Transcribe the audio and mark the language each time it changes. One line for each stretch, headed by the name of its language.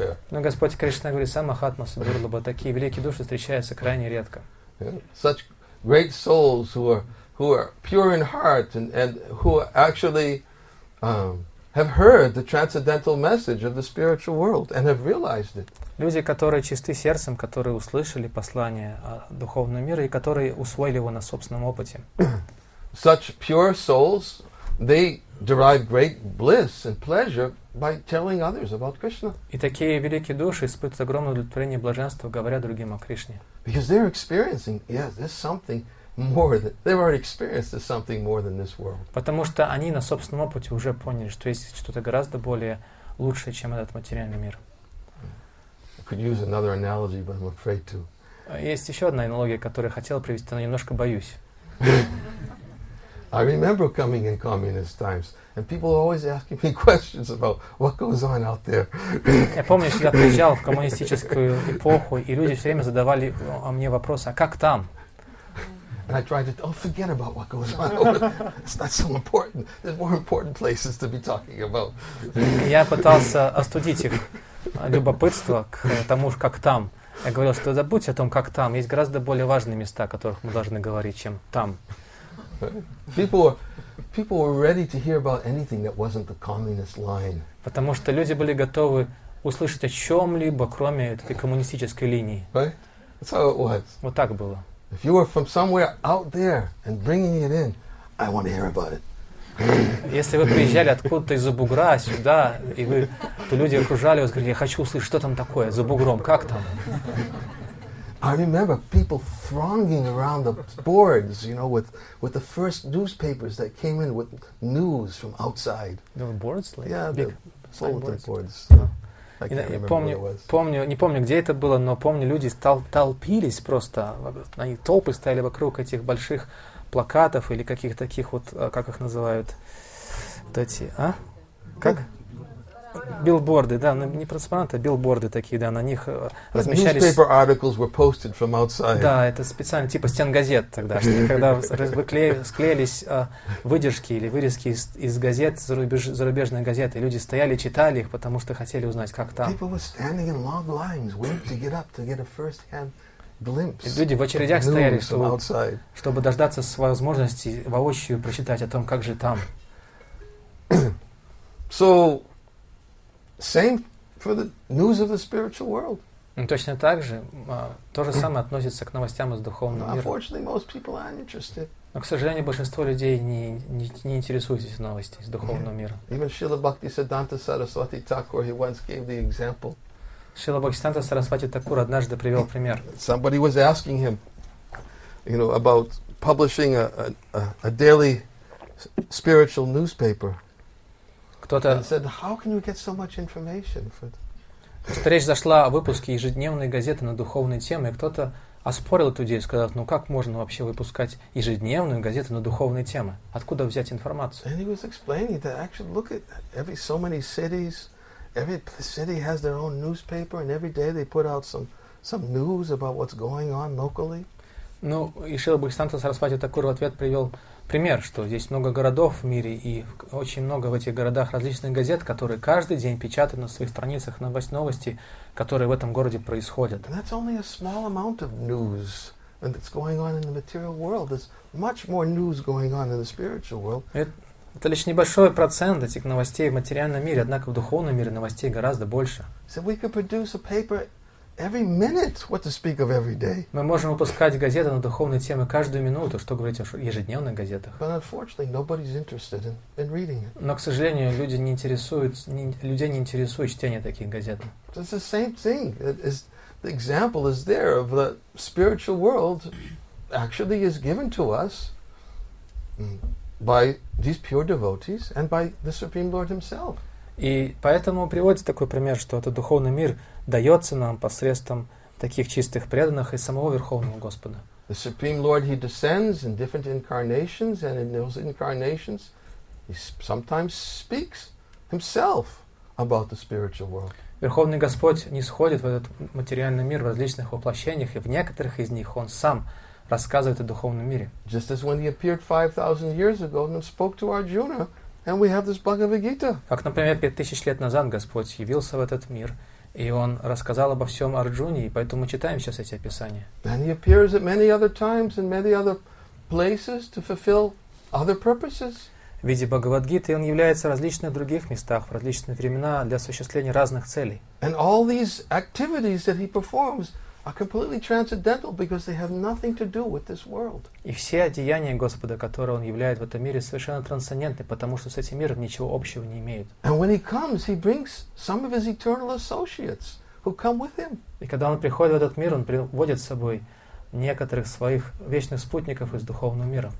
Russian: Но Господь Кришна говорит,
Sanskrit: самахатма садурлаба,
Russian: такие великие души встречаются крайне редко.
English: Such great souls who are pure in heart and who actually... have heard the transcendental message of the spiritual world and have realized it.
Russian: Люди, которые чисты сердцем, которые услышали послание о духовном мире и которые усвоили его на собственном опыте.
English: Such pure souls, they derive great bliss and pleasure by telling others about Krishna.
Russian: И такие великие души испытывают огромное удовлетворение и блаженство, говоря другим о Кришне.
English: Because they're experiencing, yes, there's something more than they've already experienced is something more than this world.
Russian: Потому что они на собственном опыте уже поняли, что есть что-то гораздо более лучшее, чем этот материальный мир.
English: I could use another analogy, but I'm afraid to.
Russian: Есть еще одна аналогия, которую я хотел привести, но немножко боюсь.
English: I remember coming in communist times, and people were always asking me questions about what goes on out there.
Russian: Я помню, когда приезжал в коммунистическую эпоху, и люди все время задавали мне вопросы: а как там?
English: And I tried to, forget about what goes on over there. It's not so important. There's more important places to be talking about.
Russian: Я пытался остудить их любопытство к тому, как там. Я говорил, что забудьте о том, как там. Есть гораздо более важные места, о которых мы должны говорить, чем там.
English: People were ready to hear about anything that wasn't the communist line.
Russian: Потому что люди были готовы услышать о чем-либо, кроме этой коммунистической линии.
English: Right? That's how it was.
Russian: Вот так было.
English: If you were from somewhere out there and bringing it in, I want to hear about it.
Russian: Если вы приезжали откуда-то из-за бугра сюда, и вы, то люди окружали вас, говорили, я хочу услышать, что там такое за бугром, как там?
English: I remember people thronging around the boards, you know, with the first newspapers that came in with news from outside. The boards? Like yeah, big the bulletin boards.
Russian: Не помню, где это было, но помню, люди толпились просто, они толпы стояли вокруг этих больших плакатов или каких-то таких вот, как их называют, вот эти, а? Как? Билборды, да, не транспаранты, а билборды такие, да, на них размещались...
English: Newspaper articles were posted from outside.
Russian: Да, это специально, типа стен газет тогда, когда склеились выдержки или вырезки из газет, зарубежные газеты, люди стояли, читали их, потому что хотели узнать, как там.
English: People were standing in long lines, waiting to get up, to get a first-hand glimpse.
Russian: Люди в очередях стояли, чтобы дождаться своей возможности воочию прочитать о том, как же там.
English: So... Same for the news of the spiritual world.
Russian: Точно так же, то же самое относится к новостям из духовного мира.
English: Unfortunately, most people aren't interested.
Russian: Но, к сожалению, большинство людей не интересуются новостями из духовного мира.
English: Even Srila Bhaktisiddhanta Saraswati Thakur, he once gave the example.
Russian: Srila Bhaktisiddhanta Saraswati Thakur однажды привел пример.
English: Somebody was asking him, you know, about publishing a daily spiritual newspaper.
Russian: Кто-то
English: said, how can you get so much information for it?
Russian: Речь зашла о выпуске ежедневной газеты на духовные темы, и кто-то оспорил эту идею, сказав, ну как можно вообще выпускать ежедневную газету на духовные темы? Откуда взять информацию?
English: And he was explaining that actually, look at every so many cities, every city has their own newspaper, and every day they put out some news about what's going on locally.
Russian: Ну, и Шрила Бхактисиддханта Сарасвати Такур в ответ привел пример, что здесь много городов в мире, и очень много в этих городах различных газет, которые каждый день печатают на своих страницах новости, которые в этом городе происходят.
English: And that's only a small amount of news. And it's going on in the material world. There's much more news going on in the spiritual world.
Russian: Это лишь небольшой процент этих новостей в материальном мире, однако в духовном мире новостей гораздо больше.
English: So we could produce a paper every minute, what to speak of every day.
Russian: Мы можем выпускать газеты на духовные темы каждую минуту, что говорить о ежедневных газетах.
English: But unfortunately, nobody's interested in reading it.
Russian: Но, к сожалению, людей не интересует чтение таких газет.
English: It's the same thing. The example is there of the spiritual world actually is given to us by these pure devotees and by the Supreme Lord himself.
Russian: И поэтому приводит такой пример, что этот духовный мир дается нам посредством таких чистых преданных и самого Верховного Господа.
English: The Supreme Lord, he descends in different incarnations, and in those incarnations he sometimes speaks himself about the spiritual world.
Russian: Верховный Господь нисходит в этот материальный мир в различных воплощениях, и в некоторых из них Он сам рассказывает о духовном мире.
English: Just as when He appeared 5,000 years ago and spoke to Arjuna, and we have this Bhagavad Gita.
Russian: Как, например, 5,000 лет назад Господь явился в этот мир, и Он рассказал обо всем Арджуне, и поэтому мы читаем сейчас эти описания.
English: Then He appears at many other times and many other places to fulfill other purposes.
Russian: В виде Бхагавадгиты он является в различных других местах, в различные времена для осуществления разных целей.
English: And all these activities that he performs are completely transcendental because they have nothing to do with this world.
Russian: И все деяния Господа, которые он являет в этом мире, совершенно трансцендентны, потому что с этим миром ничего общего не имеют.
English: And when he comes, he brings some of his eternal associates who come with him.
Russian: И когда он приходит в этот мир, он приводит с собой некоторых своих вечных спутников из духовного мира.